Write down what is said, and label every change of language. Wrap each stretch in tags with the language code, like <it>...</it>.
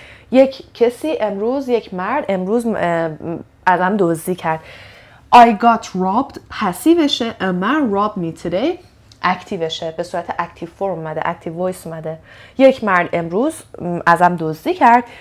<fa>یک کسی امروز، یک مرد امروز ازم دزدی کرد.</fa> <en>I got robbed</en> <fa>پسیوشه.</fa> <en>A man robbed me today</en> <fa>اکتیوشه، به صورت اکتیو فرم اومده، اکتیو وایس اومده. یک مرد امروز ازم دزدی کرد.</fa>